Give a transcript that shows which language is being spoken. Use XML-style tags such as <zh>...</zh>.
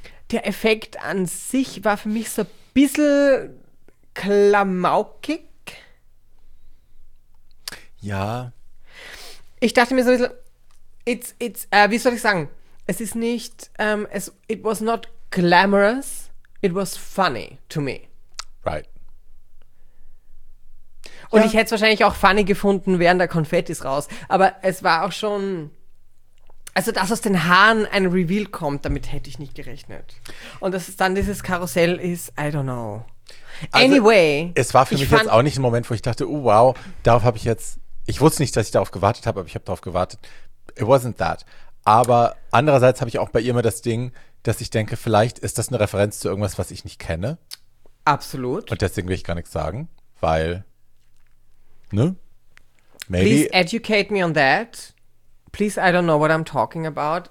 <de>Der Effekt an sich war für mich so ein bisschen klamaukig. Ja. Ich dachte mir so ein bisschen, wie soll ich sagen?</de> <en>Es ist nicht, it was not glamorous, it was funny to me. Right.</en> <de>Und ja. Ich hätte es wahrscheinlich auch funny gefunden, während der Konfetti ist raus. Aber es war auch schon, also dass aus den Haaren ein Reveal kommt, damit hätte ich nicht gerechnet. Und dass es dann dieses Karussell ist, I don't know.</de> <en>Anyway.</en> <de>Also, es war für mich jetzt auch nicht ein Moment, wo ich dachte, oh wow, darauf habe ich jetzt, ich wusste nicht, dass ich darauf gewartet habe, aber ich habe darauf gewartet. It wasn't that. Aber andererseits habe ich auch bei ihr immer das Ding, dass ich denke, vielleicht ist das eine Referenz zu irgendwas, was ich nicht kenne. Absolut. Und deswegen will ich gar nichts sagen, weil... Ne?</de> <en>Maybe. Please educate me on that. Please, I don't know what I'm talking about.</en>